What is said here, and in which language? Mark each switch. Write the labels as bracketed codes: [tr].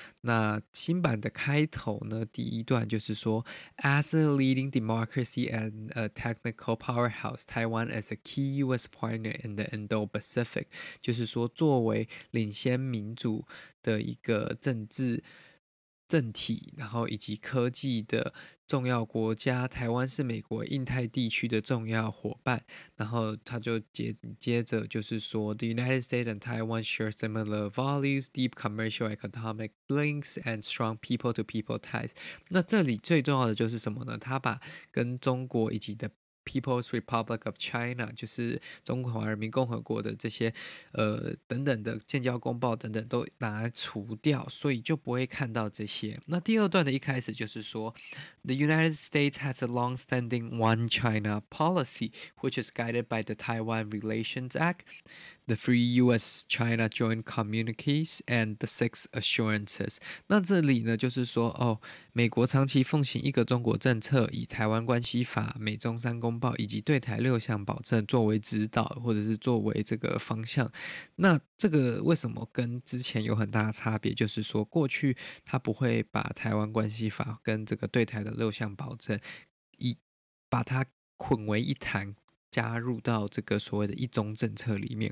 [zh] 那新版的开头呢，第一段就是说 [en] As a leading democracy and a technical powerhouse， Taiwan is a key US partner in the Indo-Pacific， [zh] 就是说作为领先民主的一个政体，然后以及科技的重要国家，台湾是美国印太地区的重要伙伴。然后他就接着就是说 [en] The United States and Taiwan share similar values, deep commercial economic links and strong people to people ties。 [zh] 那这里最重要的就是什么呢？他把跟中国以及的 People's Republic of China 就是中华人民共和国的这些等等的建交公报等等都拿除掉，所以就不会看到这些。那第二段的一开始就是说 [en] The United States has a long-standing One China policy which is guided by the Taiwan Relations Act, the three U.S.-China joint communiques and the six assurances. [zh] 那这里呢就是说哦，美国长期奉行一个中国政策，以台湾关系法、美中三公报以及对台六项保证作为指导或者是作为这个方向。那这个为什么跟之前有很大的差别，就是说过去他不会把台湾关系法跟这个对台的六项保证把它捆为一谈，加入到这个所谓的一中政策里面。